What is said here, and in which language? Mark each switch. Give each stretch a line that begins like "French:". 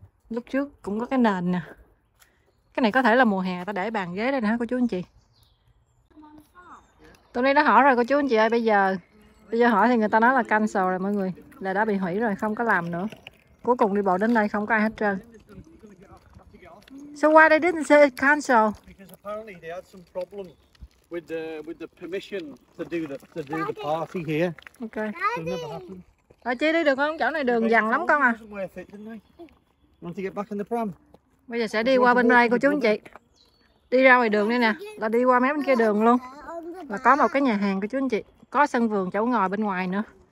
Vietnamese: Lúc trước cũng có cái nền nè. Cái này có thể là mùa hè ta để bàn ghế đây nè cô chú anh chị. Tôi nay đã hỏi rồi cô chú anh chị ơi, bây giờ hỏi thì người ta nói là cancel rồi mọi người, là đã bị hủy rồi, không có làm nữa. Cuối cùng đi bộ đến đây không có ai hết trơn.
English: So why they didn't say it cancel? Because apparently they had some problem with the permission to do the party here.
Vietnamese: Okay. Rồi Chi đi được không? Chỗ này đường dằn lắm con à.
English: Want to get back in the pram.
Vietnamese: Bây giờ sẽ đi qua bên đây cô chú anh chị. Đi ra ngoài đường đây nè, là đi qua mấy bên kia đường luôn. Là có một cái nhà hàng cô chú anh chị, có sân vườn chỗ ngồi bên ngoài nữa.